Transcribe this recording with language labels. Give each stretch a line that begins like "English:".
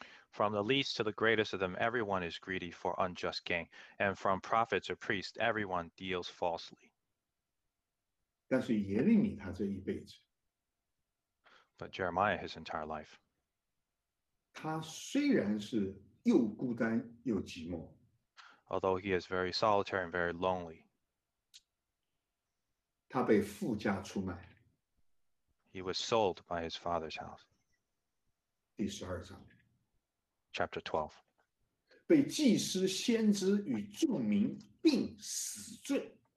English: From the least to the greatest of them, everyone is greedy for unjust gain. And from prophets or priests, everyone deals falsely.
Chinese: 但是耶利米他这一辈子,
English: But Jeremiah, his entire life,
Chinese: 他虽然是又孤单又寂寞,
English: although he is very solitary and very lonely,
Chinese: 他被富家出卖。
English: He was sold by his father's house.
Chinese: 第十二章
English: Chapter 12.
Chinese: 被祭司、先知与众民并死罪。